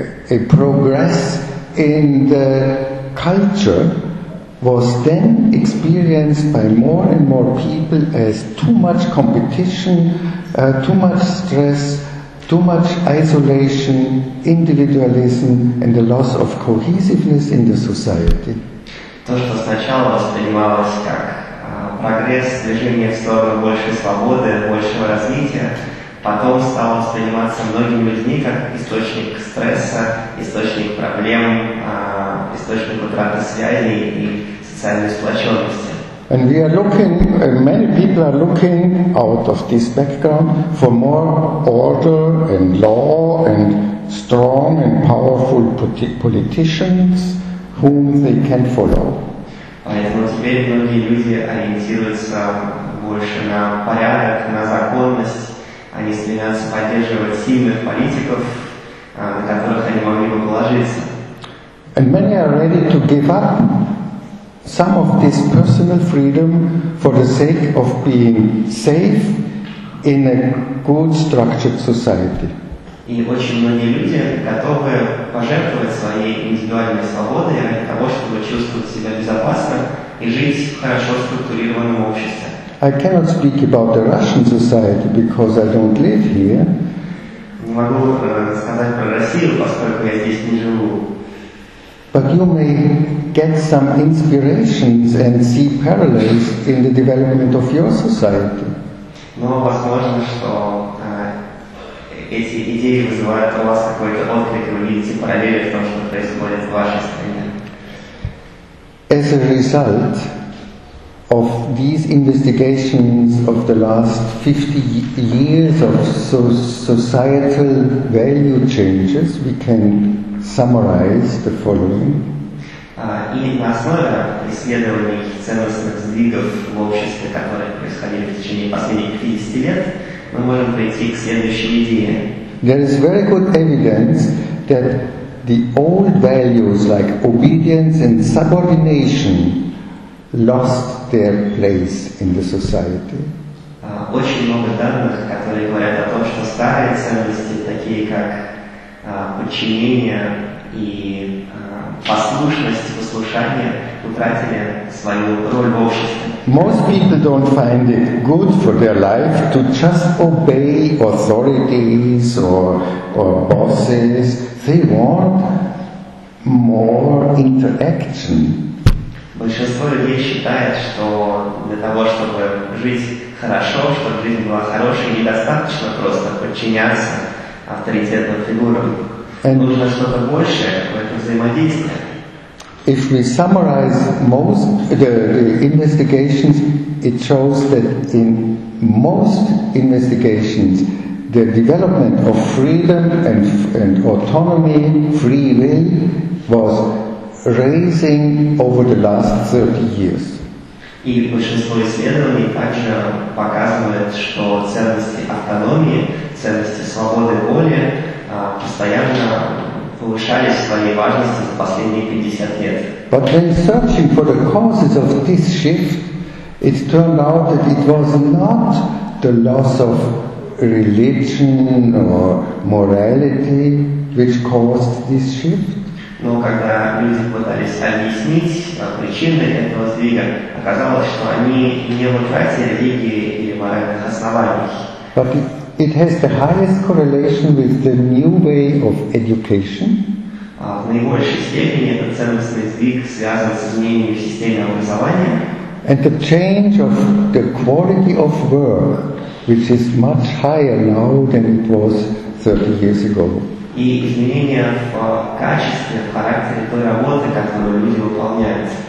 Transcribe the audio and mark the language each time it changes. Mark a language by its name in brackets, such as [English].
[English] A progress in the culture was then experienced by more and more people as too much competition, too much stress, too much isolation, individualism, and the loss of cohesiveness in the society. [Russian] То, что сначала воспринималось как прогресс, движение в сторону большей свободы, большего развития, потом стало восприниматься многими людьми как источник стресса, источник проблем, источник утраты связей и социальной сплоченности. [English] And we are looking, many people are looking out of this background for more order and law and strong and powerful politicians whom they can follow. [Russian] Поэтому теперь многие люди ориентируются больше на порядок, на законность. Они стремятся поддерживать сильных политиков, на которых они могли бы положиться. [English] And many are ready to give up some of this personal freedom for the sake of being safe in a good structured society. [Russian] И очень многие люди готовы пожертвовать своей индивидуальной свободой для того, чтобы чувствовать себя безопасно и жить в хорошо структурированном обществе. [English] I cannot speak about the Russian society because I don't live here. [Russian] Не могу сказать про Россию, поскольку я здесь не живу. [English] But you may get some inspirations and see parallels in the development of your society. [Russian] Но возможно, что эти идеи вызывают у вас какой-то отклик, и вы видите параллели в том, что происходит в вашей стране. [English] As a result of these investigations of the last 50 years of societal value changes, we can summarize the following. [Russian] И на основе исследований ценностных сдвигов в обществе, которые происходили в течение последних 50 лет, мы можем прийти к следующей идее. [English] There is very good evidence that the old values like obedience and subordination lost their place in the society. [Russian] Очень много данных, которые говорят о том, что старые ценности, такие как подчинение и послушность, послушание, утратили свою роль в обществе. [English] Most people don't find it good for their life to just obey authorities or bosses. They want more interaction. [Russian] Большинство людей считает, что для того, чтобы жить хорошо, чтобы жизнь была хорошей, недостаточно просто подчиняться авторитетным фигурам. Нужно что-то большее в этом взаимодействии. [English] If we summarize most the investigations, it shows that in most investigations, the development of freedom and autonomy, free will, was raising over the last 30 years. [Russian] И большинство исследований также показывает, что ценности автономии, ценности свободы воли постоянно повышали своей важности за последние 50 лет. [English] But when searching for the causes of this shift, it turned out that it was not the loss of religion or morality which caused this shift. [Russian] Но когда люди пытались объяснить причины этого сдвига, оказалось, что они не утратили религии или моральных оснований. [English] But it has the highest correlation with the new way of education. [Russian] В наибольшей степени этот ценностный сдвиг связан с изменением системы образования. [English] And the change of the quality of work, which is much higher now than it was 30 years ago. [Russian] И изменения в качестве, в характере той работы, которую люди выполняют.